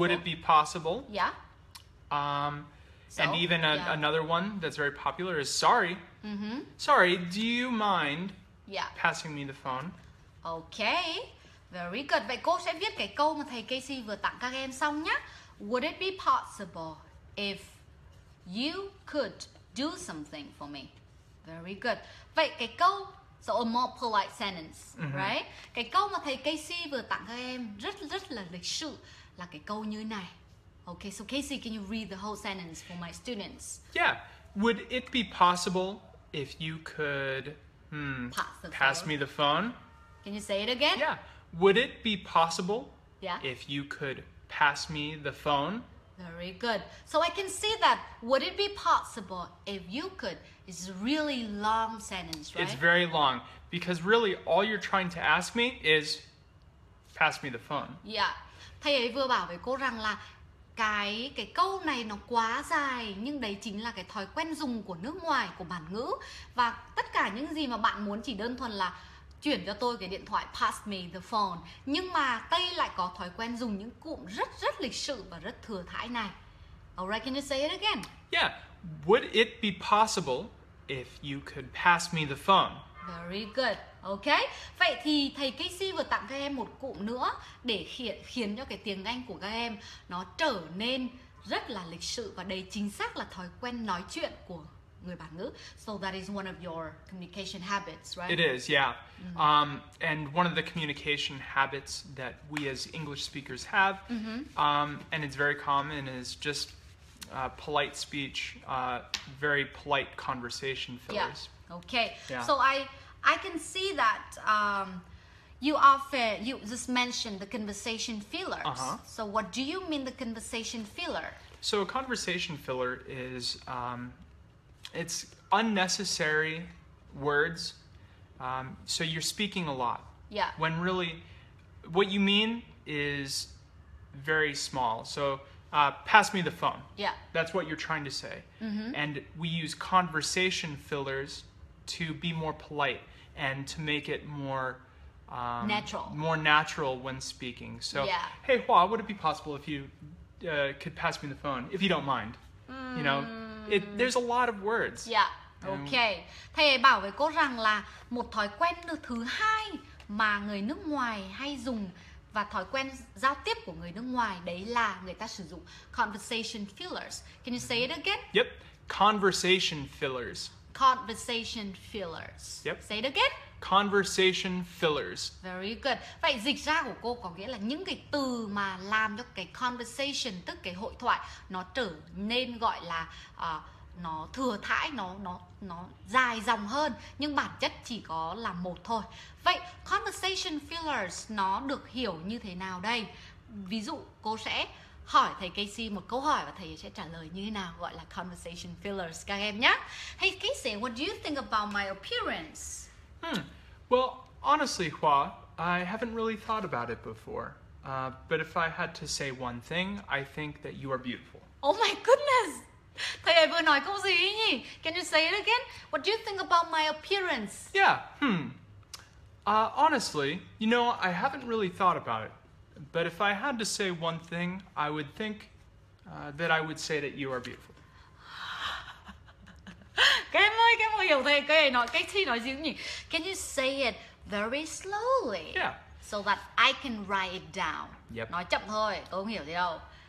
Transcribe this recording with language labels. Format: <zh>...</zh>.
<en>Would it be possible? Yeah. Another one that's very popular is sorry. Mm-hmm. Sorry, do you mind passing me the phone? Okay. Very good.</en> <vi>Vậy cô sẽ viết cái câu mà thầy Casey vừa tặng các em xong nhé.</vi> <en>Would it be possible if you could do something for me? Very good.</en> <vi>Vậy cái câu,</vi> <en>so a more polite sentence, mm-hmm. right?</en> <vi>Cái câu mà thầy Casey vừa tặng các em rất là lịch sự là cái câu như này.</vi> <en>Okay, so Casey, can you read the whole sentence for my students? Yeah. Would it be possible if you could pass me the phone? Can you say it again? Yeah. Would it be possible if you could pass me the phone? Very good. So I can see that would it be possible if you could is a really long sentence, right? It's very long because really all you're trying to ask me is pass me the phone. Yeah.</en> <vi>Thầy ấy vừa bảo với cô rằng là cái câu này nó quá dài nhưng đấy chính là cái thói quen dùng của nước ngoài, của bản ngữ và tất cả những gì mà bạn muốn chỉ đơn thuần là chuyển cho tôi cái điện thoại,</vi> <en>pass me the phone.</en> <vi>Nhưng mà Tây lại có thói quen dùng những cụm rất lịch sự và rất thừa thãi này.</vi> <en>Alright, can you say it again? Yeah, would it be possible if you could pass me the phone? Very good, okay.</en> <vi>Vậy thì thầy Casey vừa tặng các em một cụm nữa để khiến cho cái tiếng Anh của các em nó trở nên rất là lịch sự và đầy chính xác là thói quen nói chuyện của người bản ngữ.</vi> <en>So that is one of your communication habits, right? It is, yeah. Mm-hmm. And one of the communication habits that we as English speakers have, and it's very common, is just polite speech, very polite conversation fillers. Yeah. Okay. Yeah. So I can see that you just mentioned the conversation fillers. Uh-huh. So what do you mean the conversation filler? So a conversation filler is it's unnecessary words. So you're speaking a lot. Yeah. When really, what you mean is very small. So pass me the phone. Yeah. That's what you're trying to say. Mm-hmm. And we use conversation fillers to be more polite and to make it more natural when speaking. So, yeah. Hey, Hua, would it be possible if you could pass me the phone, if you don't mind? Mm. You know? There's a lot of words. Yeah. Okay.</en> <vi>Thầy ấy bảo với cô rằng là một thói quen thứ hai mà người nước ngoài hay dùng và thói quen giao tiếp của người nước ngoài đấy là người ta sử dụng conversation fillers.</vi> <en>Can you say it again? Yep. Conversation fillers. Conversation fillers. Yep. Say it again. Conversation fillers. Very good.</en> <vi>Vậy dịch ra của cô có nghĩa là những cái từ mà làm cho cái conversation, tức cái hội thoại, nó trở nên gọi là nó thừa thãi, nó dài dòng hơn, nhưng bản chất chỉ có là một thôi. Vậy conversation fillers nó được hiểu như thế nào đây? Ví dụ cô sẽ hỏi thầy Casey một câu hỏi và thầy sẽ trả lời như thế nào, gọi là conversation fillers các em nhé.</vi> <en>Hey Casey, what do you think about my appearance? Well, honestly, Hua, I haven't really thought about it before. But if I had to say one thing, I think that you are beautiful. Oh my goodness!</en> <vi>Thầy ấy vừa nói câu gì ấy nhỉ?</vi> <en>Can you say it again? What do you think about my appearance? Yeah, honestly, you know, I haven't really thought about it. But if I had to say one thing, I would think that I would say that you are beautiful.</en> <vi>Các em ơi hiểu thầy cái này nói, cái chi nói gì nhỉ?</vi> <en>Can you say it very slowly? Yeah. So that I can write it down. Yep.</en> <vi>Nói chậm thôi, tôi không hiểu gì đâu.</vi>